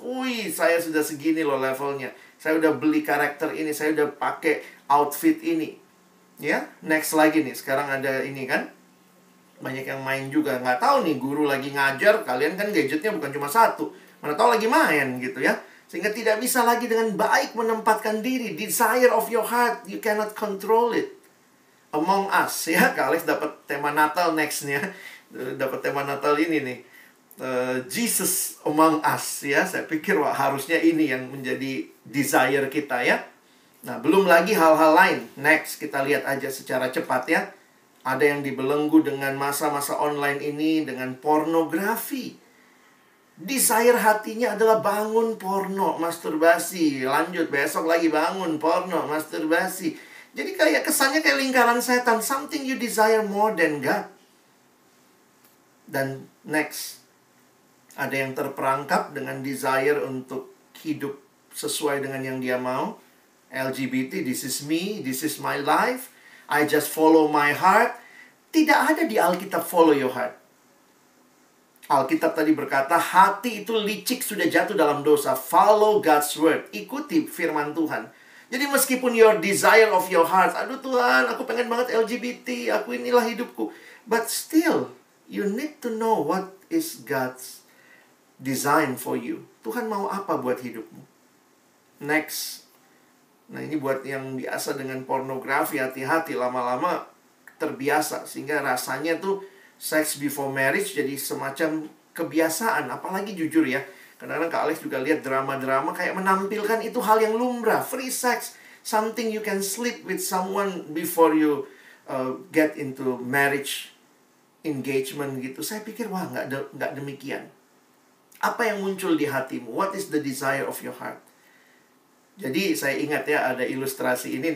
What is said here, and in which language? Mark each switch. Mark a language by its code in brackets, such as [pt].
[id] Wih, saya sudah segini loh levelnya. Saya udah beli karakter ini, saya udah pakai outfit ini. Ya, next lagi nih, sekarang ada ini kan. Banyak yang main juga, nggak tahu nih guru lagi ngajar, kalian kan gadgetnya bukan cuma satu. Mana tahu lagi main gitu ya. Sehingga tidak bisa lagi dengan baik menempatkan diri. [en] Desire of your heart, you cannot control it. [id] Among us, ya. Kak Alex dapat tema Natal next-nya. Dapat tema Natal ini nih. [en] Jesus among us, ya. [id] Saya pikir wah, harusnya ini yang menjadi desire kita, ya. Nah, belum lagi hal-hal lain. Next, kita lihat aja secara cepat, ya. Ada yang dibelenggu dengan masa-masa online ini, dengan pornografi. Desire hatinya adalah bangun porno, masturbasi. Lanjut, besok lagi bangun porno, masturbasi. Jadi kayak kesannya kayak lingkaran setan. [en] Something you desire more than God. [id] Dan next, ada yang terperangkap dengan desire untuk hidup sesuai dengan yang dia mau. [en] LGBT, this is me, this is my life. I just follow my heart. [id] Tidak ada di Alkitab [en] follow your heart. [id] Alkitab tadi berkata, hati itu licik sudah jatuh dalam dosa. [en] Follow God's word. [id] Ikuti firman Tuhan. Jadi meskipun [en] your desire of your heart, [id] aduh Tuhan, aku pengen banget LGBT, aku inilah hidupku. [en] But still, you need to know what is God's design for you. [id] Tuhan mau apa buat hidupmu? Next. Nah ini buat yang biasa dengan pornografi, hati-hati, lama-lama terbiasa. Sehingga rasanya tuh, [en] sex before marriage [id] jadi semacam kebiasaan. Apalagi jujur ya, kadang-kadang Kak Alex juga lihat drama-drama kayak menampilkan itu hal yang lumrah. [en] Free sex, something you can sleep with someone before you get into marriage engagement gitu. [id] Saya pikir, wah gak demikian. Apa yang muncul di hatimu? [en] What is the desire of your heart? [id] Jadi saya ingat ya, ada ilustrasi ini.